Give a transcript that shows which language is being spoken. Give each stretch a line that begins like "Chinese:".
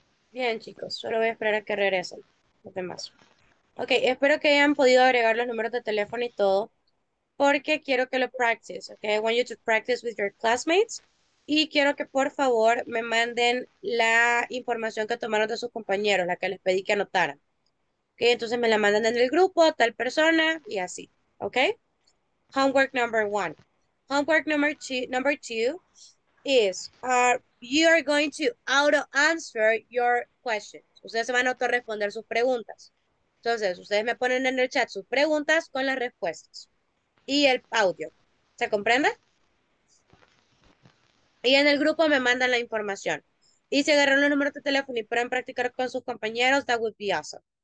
Spanish: Bien, chicos, solo voy a esperar a que regresen los demás. Ok, espero que hayan podido agregar los números de teléfono y todo, porque quiero que lo practice, ok?
English: I want you to practice with your classmates.
Spanish: Y quiero que por favor me manden la información que tomaron de sus compañeros, la que les pedí que anotaran. Okay, entonces me la mandan en el grupo, tal persona, y así.
English: Okay? Homework number one. Homework number two is, you are going to auto-answer your questions.
Spanish: Ustedes se van a autorresponder sus preguntas. Entonces, ustedes me ponen en el chat sus preguntas con las respuestas. Y el audio. ¿Se comprende? Y en el grupo me mandan la información. Y si agarran los números de teléfono y pueden practicar con sus compañeros,
English: that would be awesome.